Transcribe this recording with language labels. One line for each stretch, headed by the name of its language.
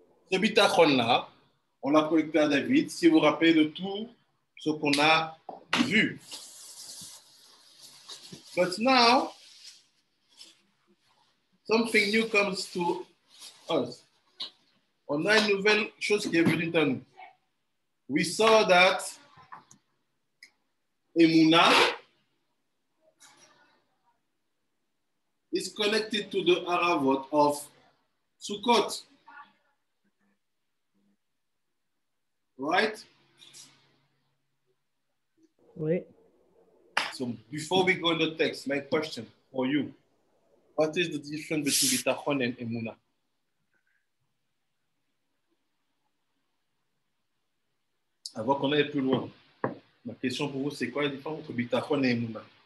French: Ce bitachon là, on l'a collecté à David, si vous rappelez de tout ce qu'on a vu.
English: But now, something new comes to us.
French: On a une nouvelle chose qui est venue à nous.
English: We saw that Emuna is connected to the Aravot of Sukkot. Right?
French: Oui.
English: So before we go in the text, my question for you. What is the difference between Bitachon and Emuna?
French: Avant qu'on aille plus loin, ma question pour vous, c'est quoi la différence entre Bitachon et Emuna?